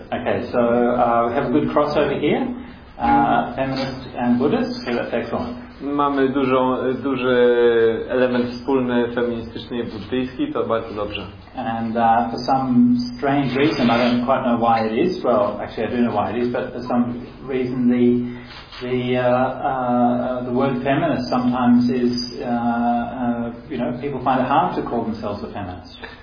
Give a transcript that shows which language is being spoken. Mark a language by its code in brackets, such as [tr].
[en] Okay, so we have a good crossover here. Feminist and Buddhist. So that's excellent. [pl] Mamy duży element wspólny feministyczny i buddyjski, to bardzo dobrze. [en] And for some strange reason, I don't quite know why it is, well, actually I do know why it is, but for some reason the word feminist sometimes is, you know, people find it hard to call themselves a feminist.